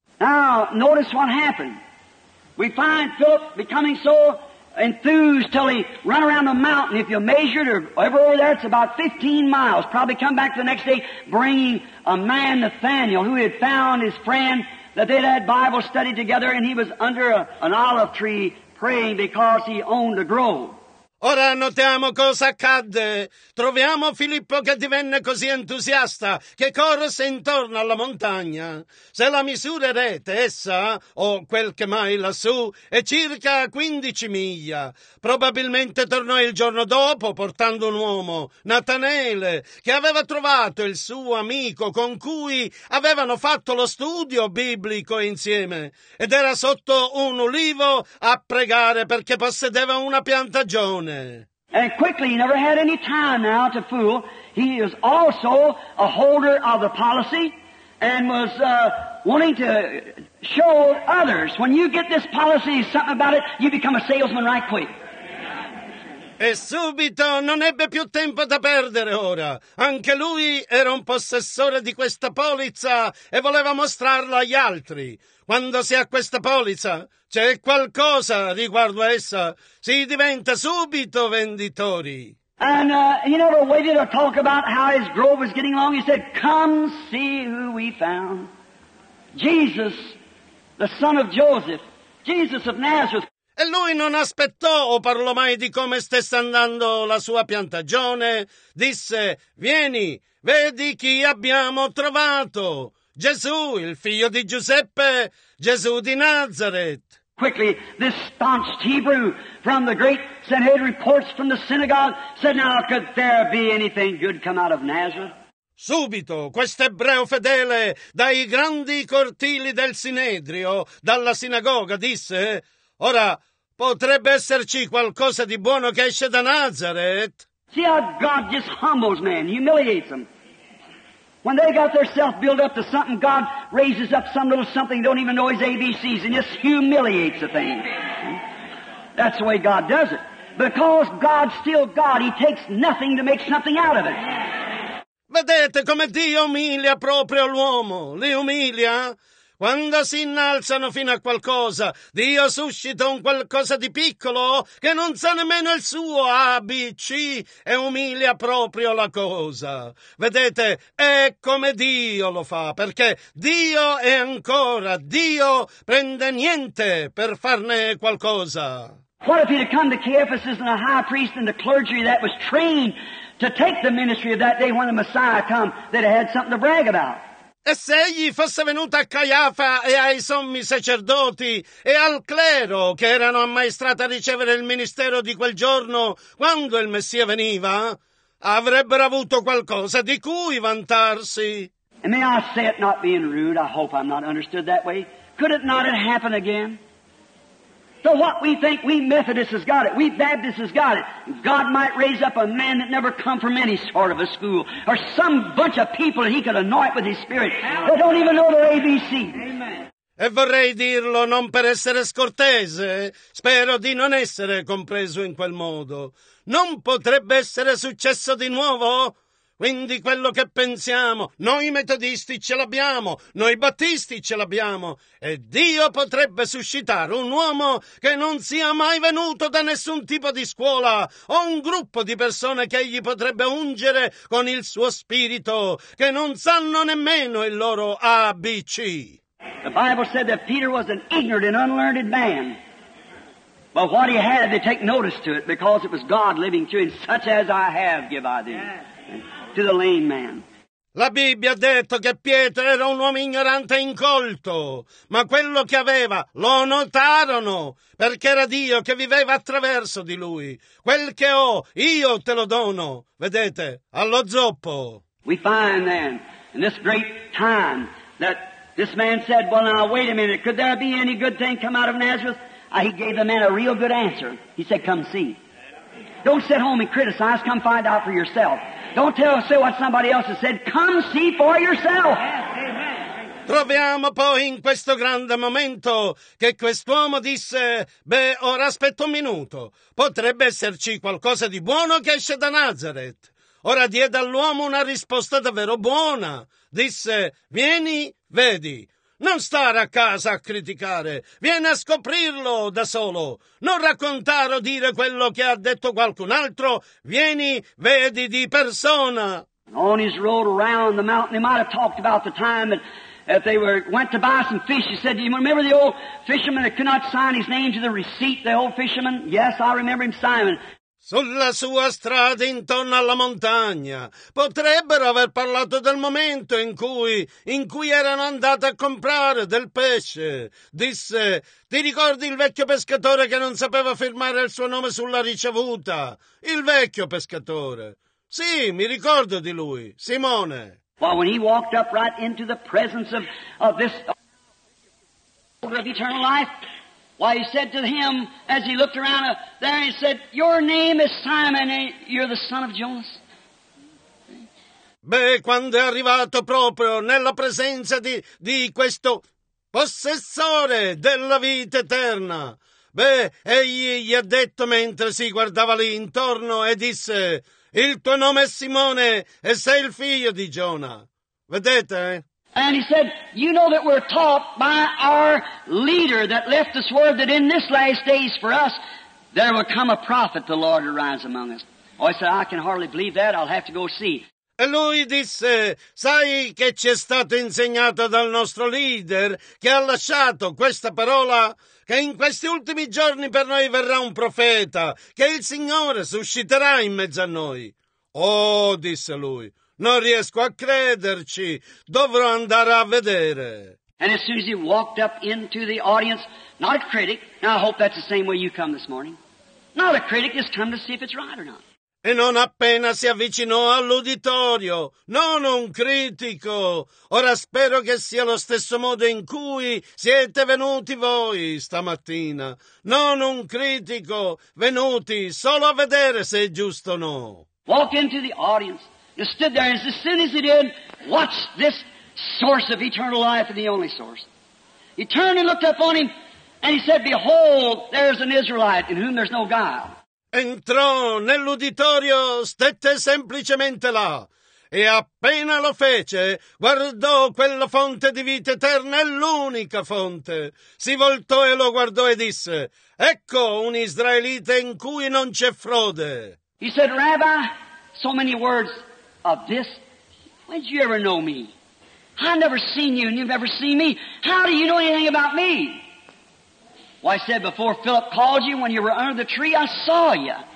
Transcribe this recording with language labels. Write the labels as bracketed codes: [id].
[en] Now, notice what happened. We find Philip becoming so enthused till he run around the mountain. If you measured or ever over there, it's about 15 miles. Probably come back the next day bringing a man, Nathaniel, who had found his friend that they'd had Bible study together, and he was under an olive tree praying because he owned a grove. [it] Ora notiamo cosa accadde. Troviamo Filippo che divenne così entusiasta che corse intorno alla montagna. Se la misurerete, essa, o quel che mai lassù, è circa 15 miglia. Probabilmente tornò il giorno dopo portando un uomo, Natanele, che aveva trovato il suo amico con cui avevano fatto lo studio biblico insieme ed era sotto un ulivo a pregare perché possedeva una piantagione. [en] And quickly, he never had any time now to fool. He is also a holder of the policy and was wanting to show others. When you get this policy, something about it, you become a salesman right quick. [it] E subito non ebbe più tempo da perdere ora. Anche lui era un possessore di questa polizza e voleva mostrarla agli altri. Quando si ha questa polizza, c'è qualcosa riguardo a essa. Si diventa subito venditori. [en] And he never waited to talk about how his grove was getting along. He said, come see who we found. Jesus, the son of Joseph, Jesus of Nazareth. [it] E lui non aspettò o parlò mai di come stesse andando la sua piantagione. Disse, vieni, vedi chi abbiamo trovato. Gesù, il figlio di Giuseppe, Gesù di Nazareth. [en] Quickly, this staunch Hebrew from the great Sanhedrin reports from the synagogue said, now could there be anything good come out of Nazareth? [it] Subito, questo ebreo fedele dai grandi cortili del Sinedrio, dalla sinagoga, disse, ora, potrebbe esserci qualcosa di buono che esce da Nazareth? [en] See how God just humbles men, humiliates them. When they got their self built up to something, God raises up some little something they don't even know his ABCs and just humiliates the thing. That's the way God does it. Because God's still God, he takes nothing to make something out of it. [it] Vedete come Dio umilia proprio l'uomo, li umilia? Quando si innalzano fino a qualcosa, Dio suscita un qualcosa di piccolo che non sa nemmeno il suo ABC e umilia proprio la cosa. Vedete, è come Dio lo fa, perché Dio è ancora, Dio prende niente per farne qualcosa. [en] What if he'd come to Caiaphas and the high priest and the clergy that was trained to take the ministry of that day when the Messiah come that had something to brag about? [it] E se egli fosse venuto a Caiafa e ai sommi sacerdoti e al clero che erano ammaestrati a ricevere il ministero di quel giorno quando il Messia veniva, avrebbero avuto qualcosa di cui vantarsi. [en] And may I say it not being rude, I hope I'm not understood that way. Could it not happen again? So what we think, we Methodists has got it, we Baptists has got it. God might raise up a man that never come from any sort of a school, or some bunch of people that he could anoint with his spirit that don't even know their ABC. [it] E vorrei dirlo non per essere scortese, spero di non essere compreso in quel modo. Non potrebbe essere successo di nuovo? Quindi quello che pensiamo, noi metodisti ce l'abbiamo, noi battisti ce l'abbiamo, e Dio potrebbe suscitare un uomo che non sia mai venuto da nessun tipo di scuola o un gruppo di persone che egli potrebbe ungere con il suo spirito, che non sanno nemmeno il loro ABC. [en] The Bible said that Peter was an ignorant and unlearned man. But what he had, they take notice to it, because it was God living through him, such as I have give I thee. To the lame man. [it] La Bibbia ha detto che Pietro era un uomo ignorante e incolto, ma quello che aveva lo notarono, perché era Dio che viveva attraverso di lui. Quel che ho, io te lo dono, vedete, allo zoppo. [en] We find then, in this great time, that this man said, well now wait a minute, could there be any good thing come out of Nazareth? He gave the man a real good answer. He said, come see. Don't sit home and criticize, come find out for yourself. Don't tell us what somebody else has said. Come see for yourself. [it] Troviamo poi in questo grande momento che quest'uomo disse, beh, ora aspetta un minuto. Potrebbe esserci qualcosa di buono che esce da Nazareth. Ora diede all'uomo una risposta davvero buona. Disse, vieni, vedi. Non stare a casa a criticare. Vieni a scoprirlo da solo. Non raccontare o dire quello che ha detto qualcun altro. Vieni, vedi di persona. [en] On his road around the mountain, they might have talked about the time that they went to buy some fish. He said, do you remember the old fisherman that could not sign his name to the receipt, the old fisherman? Yes, I remember him, Simon. [it] Sulla sua strada intorno alla montagna potrebbero aver parlato del momento in cui erano andati a comprare del pesce. Disse, ti ricordi il vecchio pescatore che non sapeva firmare il suo nome sulla ricevuta? Il vecchio pescatore. Sì, mi ricordo di lui, Simone. [en] Well, when he walked up right into the presence of this of eternal life. Why, he said to him, as he looked around there, he said, your name is Simon, and you're the son of Jonas. [it] Beh, quando è arrivato proprio nella presenza di questo possessore della vita eterna, beh, egli gli ha detto mentre si guardava lì intorno e disse, il tuo nome è Simone e sei il figlio di Giona. Vedete? [en] And he said, you know that we're taught by our leader that left us word that in this last days for us, there will come a prophet, the Lord arise among us. I said, I can hardly believe that, I'll have to go see. [it] E lui disse, sai che ci è stato insegnato dal nostro leader che ha lasciato questa parola che in questi ultimi giorni per noi verrà un profeta che il Signore susciterà in mezzo a noi. Oh, disse lui, non riesco a crederci, dovrò andare a vedere. [en] And as soon as he walked up into the audience, not a critic, now I hope that's the same way you come this morning, not a critic, just come to see if it's right or not. [it] E non appena si avvicinò all'uditorio, non un critico. Ora spero che sia lo stesso modo in cui siete venuti voi stamattina. Non un critico, venuti solo a vedere se è giusto o no. [en] Walk into the audience. You stood there as soon as he did. Watch this source of eternal life and the only source. He turned and looked up on him and he said, behold, there's an Israelite in whom there's no guile. [it] Entrò nell'uditorio, stette semplicemente là, e appena lo fece, guardò quella fonte di vita eterna, è l'unica fonte. Si voltò e lo guardò e disse, ecco un israelita in cui non c'è frode. [en] He said, Rabbi, so many words of this, when did you ever know me? I've never seen you and you've never seen me. How do you know anything about me? Well, I said, before Philip called you, when you were under the tree, I saw you.